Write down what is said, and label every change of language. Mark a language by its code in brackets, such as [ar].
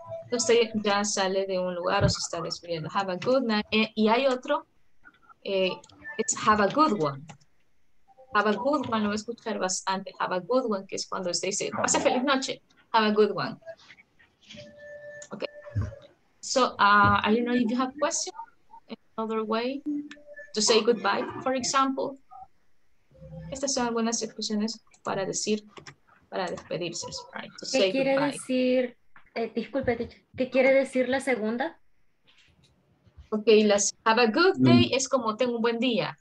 [es] Usted ya sale de un lugar o se está despidiendo. [en] Have a good night. [es] Y hay otro. [en] It's have a good one. Have a good one. [es] Lo voy a escuchar bastante. [en] Have a good one, [es] que es cuando usted dice, pase feliz noche. [en] Have a good one. Okay. So, I don't know if you have questions. Another way to say goodbye, for example. [es] Estas son algunas expresiones para decir, para despedirse. [en] Right? [es] ¿Qué quiere goodbye. Decir? Disculpe, ¿qué quiere decir la segunda? Ok, las [en] have a good day [es] es como tengo un buen día.